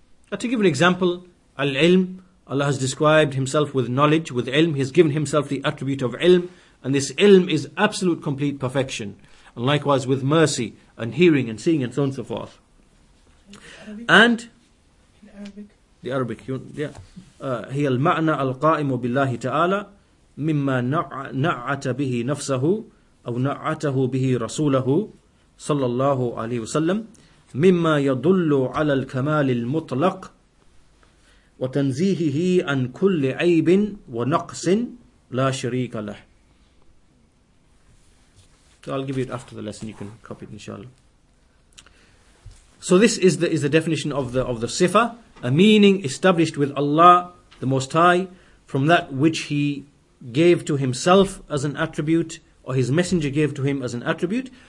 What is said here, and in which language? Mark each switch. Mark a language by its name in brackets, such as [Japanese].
[English] Now, to give an example, al-ilm. Allah has described Himself with knowledge, with ilm. He has given Himself the attribute of ilm. And this ilm is absolute complete perfection. And likewise with mercy and hearing and seeing and so on and so forth. And in Arabic. The Arabic, yeah. [Arabic] هي المعنى القائم بالله تعالى مما نعت به نفسه أو نعته به رسوله صلى الله عليه وسلم مما يدل على الكمال المطلق وتنزيهه عن كل عيب ونقص لا شريك له. [English] So I'll give you it after the lesson. You can copy it, inshallah. So this is the definition of the sifa, a meaning established with Allah, the Most High, from that which He gave to Himself as an attribute, or His Messenger gave to Him as an attribute,